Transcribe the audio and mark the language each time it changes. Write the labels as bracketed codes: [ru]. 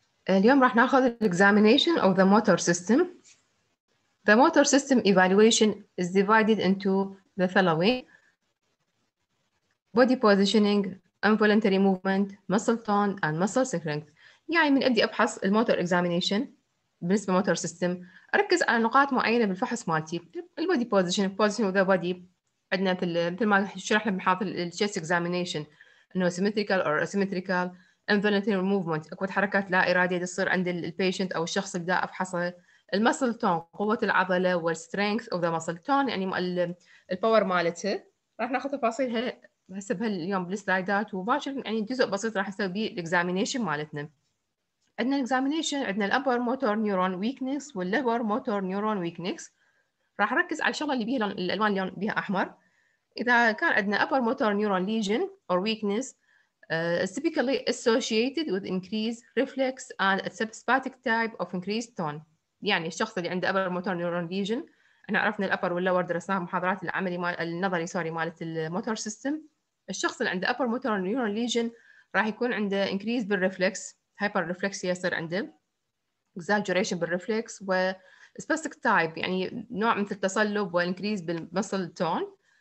[ar] اليوم راح ناخذ [en] examination of the motor system. The motor system evaluation is divided into the following: body positioning, involuntary movement, muscle tone, and muscle strength. [ar] يعني من أدي أبحث الموتور examination بالنسبة [en] motor system، [ar] أركز على نقاط معينة بالفحص مالتي. [en] البودي positioning, positioning of the body. [ar] عندنا مثل ما شرحنا بمحاضرة الشيست examination، إنه [en] symmetrical or asymmetrical. Involuntary movement، [ar] أكو حركات لا إرادية تصير عند البيشنت أو الشخص اللي بدأ أفحصه. المسل تون، قوة العضلة والسترينث أوف ذا مسل تون، يعني الباور مالته. راح ناخذ تفاصيلها هسه بهاليوم بالسلايدات، وباشر يعني جزء بسيط راح نسوي الاكزامينيشن مالتنا. عندنا الاكزامينيشن، عندنا الأبر موتور نيورون ويكنس واللور موتور نيورون ويكنس. راح أركز على الشغلة اللي بيها الألوان اللي بيها أحمر. إذا كان عندنا [en] Upper motor neuron lesion or weakness typically associated with increased reflex and a subspastic type of increased tone. [ar] يعني الشخص اللي عنده [en] upper motor neuron lesion، [ar] احنا عرفنا الابر واللور درسناها محاضرات العملي مال النظري سوري مالت الموتور سيستم. الشخص اللي عنده [en] upper motor neuron lesion [ar] راح يكون عنده increase بالreflex، هايبر ريفلكس يصير عنده exaggeration بالreflex و spastic type، يعني نوع مثل التصلب والانكريز بالمسل تون.